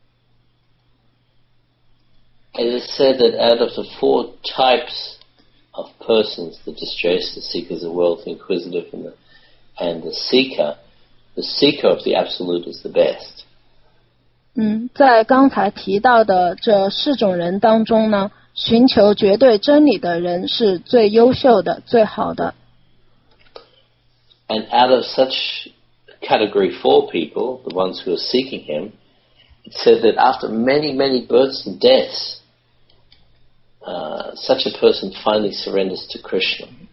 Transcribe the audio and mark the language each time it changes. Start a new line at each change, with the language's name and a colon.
English: is said that out of the four types of persons, the distressed, the seekers of wealth, the inquisitive, and the seeker of the absolute is the best.
Chinese: 在刚才提到的这四种人当中呢，寻求绝对真理的人是最优秀的、最好的。
English: And out of such category four people, the ones who are seeking him, it said that after many, many births and deaths, such a person finally surrenders to Krishna.